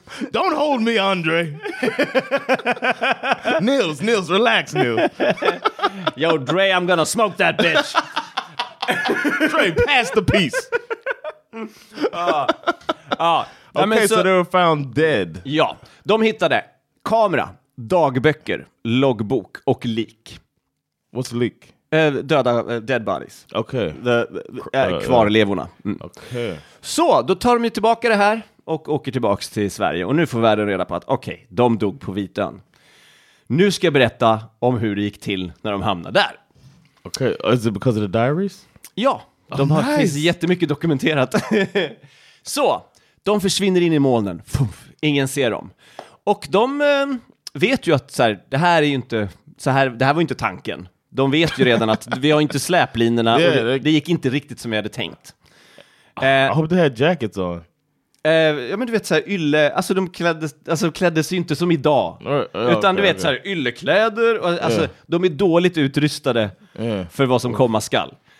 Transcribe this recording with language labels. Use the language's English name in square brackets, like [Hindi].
[English] Don't hold me, Andre. Nils, relax, Nils. Yo, Dre, I'm gonna smoke that bitch. Dre, pass the piece. Okay, men so they were found dead. [Swedish] Ja, de hittade kamera, dagböcker, loggbok och lik. [English] What's leak? Döda, dead bodies. Okay. [Swedish] Kvarlevorna. [English] Mm. Okay. [Swedish] Så, då tar de ju tillbaka det här och åker tillbaka till Sverige. Och nu får världen reda på att, okej, okay, de dog på Vitön. Nu ska jag berätta om hur det gick till när de hamnade där. [English] Okay, is it because of the diaries? [Swedish] Ja, de har finns jättemycket dokumenterat. Så, de försvinner in i molnen. Puff, ingen ser dem. Och de vet ju att så här, det här är ju inte så här, det här var inte tanken. De vet ju redan att vi har inte släplinorna. Yeah, det gick inte riktigt som jag hade tänkt. [English] I hope they had jackets on. [Swedish] Ja, men du vet så här, ylle, alltså de kläddes ju inte som idag. Utan du vet så här, yllekläder och, alltså de är dåligt utrustade för vad som komma skall.